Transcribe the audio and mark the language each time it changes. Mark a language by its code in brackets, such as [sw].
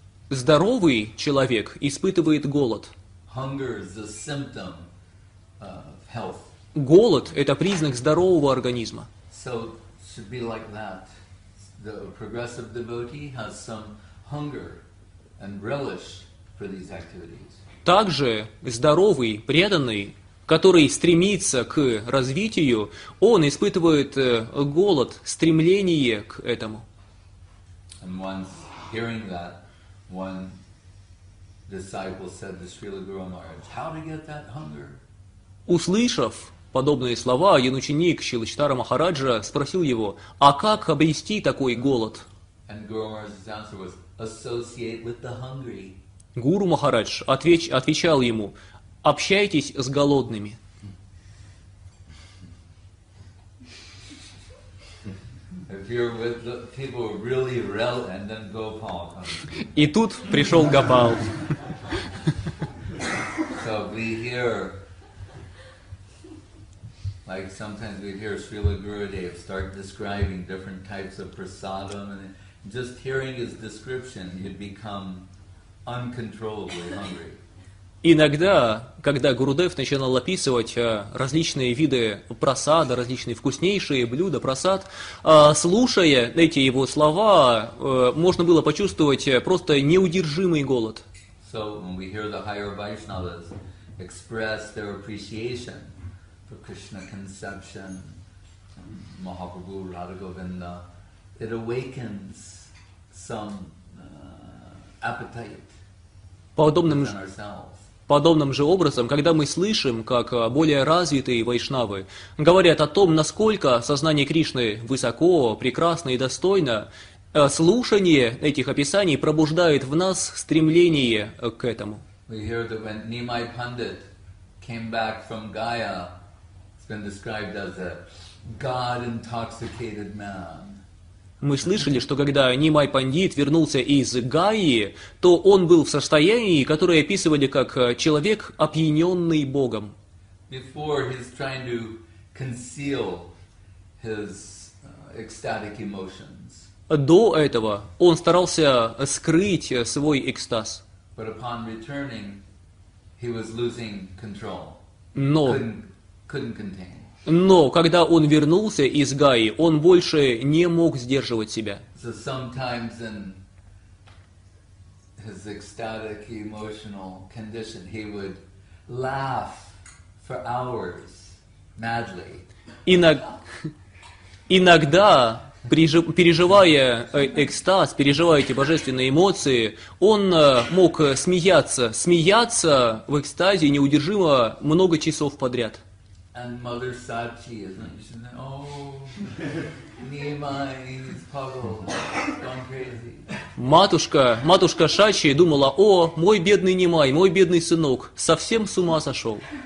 [ru] Здоровый человек испытывает голод. [en] Hunger is a symptom of health. [ru] Голод – это признак здорового организма. [en] So it should be like that. The progressive devotee has some hunger and relish for these activities. [ru] Также здоровый, преданный, который стремится к развитию, он испытывает голод, стремление к этому. [en] And once hearing that, one disciple said to Srila Guru Maharaj, "How to get that hunger?" [ru] Услышав подобные слова, один ученик Шрилы Читара Махараджа спросил его: "А как обрести такой голод?" [en] And Guru Maharaj's answer was, "Associate with the hungry." [ru] Гуру Махарадж отвечал ему: "Общайтесь с голодными." [en] If you're with the people who really rel, and then Gopal comes. [ru] И тут пришел Гопал. [en] So we hear, like sometimes we hear Srila Gurudev start describing different types of prasadam, and just hearing his description, you'd become uncontrollably hungry. [ru] Иногда, когда Гурудев начинал описывать различные виды прасада, различные вкуснейшие блюда, прасад, слушая эти его слова, можно было почувствовать просто неудержимый голод. [en] So when we hear the higher Vaishnavas express their appreciation for Krishna conception, Mahaprabhu, Radha Govinda, it awakens some appetite within ourselves. [ru] Подобным же образом, когда мы слышим, как более развитые вайшнавы говорят о том, насколько сознание Кришны высоко, прекрасно и достойно, слушание этих описаний пробуждает в нас стремление к этому. [en] We hear that when Nimai Pandit came back from Gaya, it's been described as a God-intoxicated man. [ru] Мы слышали, что когда Нимай Пандит вернулся из Гайи, то он был в состоянии, которое описывали как человек, опьяненный Богом. [en] Before he's trying to conceal his ecstatic emotions. [ru] До этого он старался скрыть свой экстаз. [en] But upon returning, he was losing control. Couldn't contain. [ru] Но когда он вернулся из Гайи, он больше не мог сдерживать себя. [en] So sometimes in his ecstatic emotional condition, he would laugh for hours, madly. [ru] Иногда, переживая экстаз, переживая эти божественные эмоции, он мог смеяться в экстазе неудержимо много часов подряд. [en] And Mother Sachi is mentioned. Oh, Nimai is puzzled, gone crazy. [ru] Матушка Сачи думала: о, мой бедный Нимай, мой бедный сынок, совсем с ума сошел.